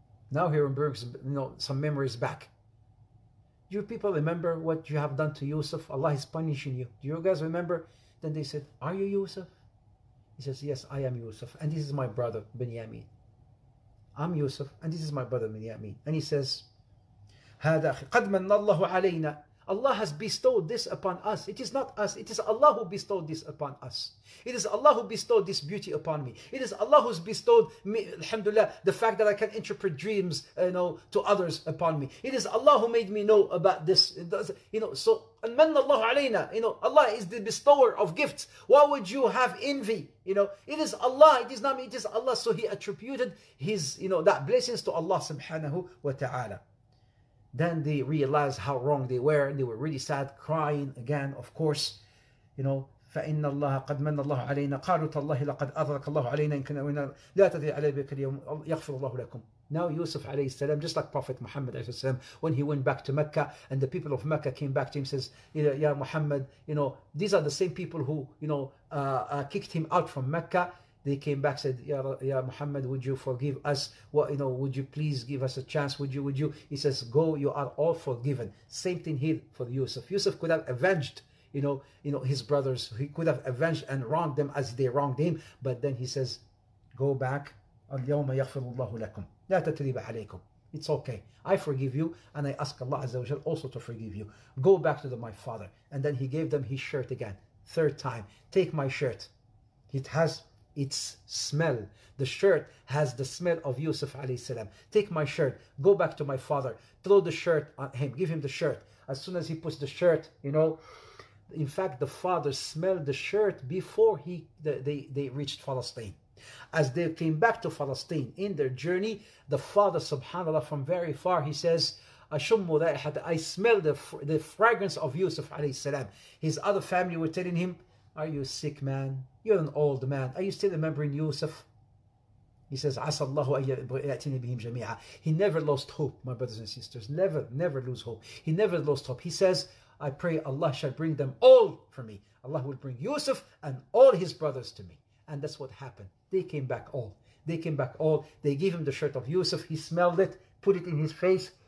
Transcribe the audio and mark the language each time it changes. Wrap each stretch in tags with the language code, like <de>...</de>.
<en>Now he brings, you know, some memories back. Do you people remember what you have done to Yusuf? Allah is punishing you. Do you guys remember? Then they said, are you Yusuf? He says, yes, I am Yusuf. And this is my brother, Benjamin. I'm Yusuf, and this is my brother, Benjamin. And he says,</en> <ar>قَدْ مَنَّ اللَّهُ عَلَيْنَا.</ar> <en>Allah has bestowed this upon us. It is not us. It is Allah who bestowed this upon us. It is Allah who bestowed this beauty upon me. It is Allah who's bestowed me, alhamdulillah, the fact that I can interpret dreams, you know, to others upon me. It is Allah who made me know about this. You know, so,</en> <ar>مَنَّ اللَّهُ عَلَيْنَا.</ar> <en>You know, Allah is the bestower of gifts. Why would you have envy? You know, it is Allah. It is not me. It is Allah. So he attributed his, you know, that blessings to Allah subhanahu wa ta'ala. Then they realized how wrong they were, and they were really sad, crying again, of course. You know,</en> <ar>فَإِنَّ اللَّهَ قَدْ مَنَّ اللَّهُ عَلَيْنَا. قَالُوا تَاللَّهِ لَقَدْ أَضْرَكَ اللَّهُ عَلَيْنَا إِنْ كُنَّا وَإِنَّا لَا تَدْرِي عَلَيْكَ الْيَوْمَ يَغْفِرُ اللَّهُ لَكُمْ.</ar> <en>Now Yusuf alayhi salam, just like Prophet Muhammad alayhi salam, when he went back to Mecca and the people of Mecca came back to him, says, Ya Muhammad, you know, these are the same people who, you know, kicked him out from Mecca. They came back, said, Ya Muhammad, would you forgive us? What, you know, would you please give us a chance? Would you? He says, go, you are all forgiven. Same thing here for Yusuf. Yusuf could have avenged, you know, his brothers. He could have avenged and wronged them as they wronged him. But then he says, go back.</en> <ar>اليوم يغفر الله لكم لا تتريب عليكم.</ar> <en>It's okay. I forgive you, and I ask Allah Azza wa Jal also to forgive you. Go back to my father. And then he gave them his shirt again. Third time. Take my shirt. It has its smell. The shirt has the smell of Yusuf alayhi salam. Take my shirt. Go back to my father. Throw the shirt on him. Give him the shirt. As soon as he puts the shirt, you know. In fact, the father smelled the shirt before they reached Palestine. As they came back to Palestine in their journey, the father, subhanAllah, from very far, he says,</en> <ar>أشم رائحة,</ar> <en>I smell the fragrance of Yusuf alayhi salam. His other family were telling him, are you sick, man? You're an old man. Are you still remembering Yusuf? He says,</en> <ar>عسى الله أن يأتيني بهم جميعا.</ar> <en>He never lost hope, my brothers and sisters. Never, never lose hope. He never lost hope. He says, I pray Allah shall bring them all for me. Allah will bring Yusuf and all his brothers to me. And that's what happened. They came back all. They came back all. They gave him the shirt of Yusuf. He smelled it, put it in his face.</en>